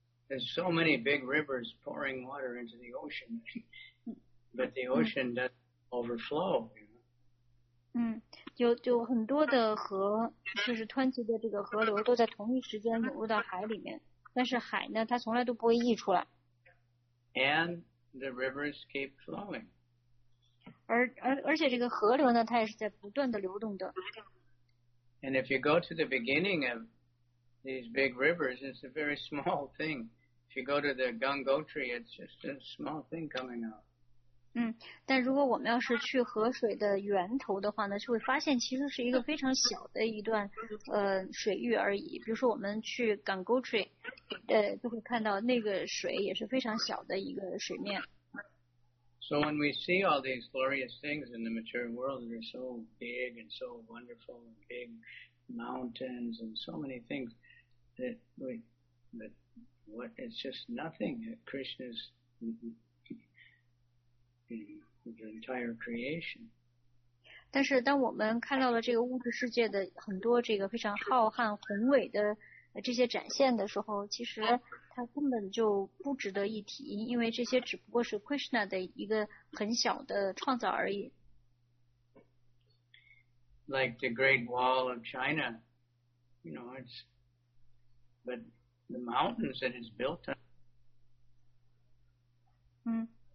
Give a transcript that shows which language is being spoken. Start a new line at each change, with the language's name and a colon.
English: There's so many big rivers pouring water into the ocean, but the ocean doesn't overflow.
Chinese: 有很多的河，就是湍急的这个河流，都在同一时间涌入到海里面。但是海呢，它从来都不会溢出来。
English: And the rivers keep flowing.
Chinese: 而且这个河流呢，它也是在不断的流动的。
English: And if you go to the beginning of these big rivers, it's a very small thing. If you go to the Gangotri, it's just a small thing coming out.
Chinese: 但如果我们要是去河水的源头的话呢，就会发现其实是一个非常小的一段水域而已。比如说我们去 Gangotri， 就会看到那个水也是非常小的一个水面。
English: So when we see all these glorious things in the material world, they're so big and so wonderful, and big mountains and so many things that but it's just nothing. Krishna's the entire creation.
Chinese: 但是当我们看到了这个物质世界的很多这个非常浩瀚宏伟的这些展现的时候，其实它根本就不值得一提，因为这些只不过是 Krishna 的一个很小的创造而已。
English: Like the Great Wall of China, you know, it's but the mountains that it's built on.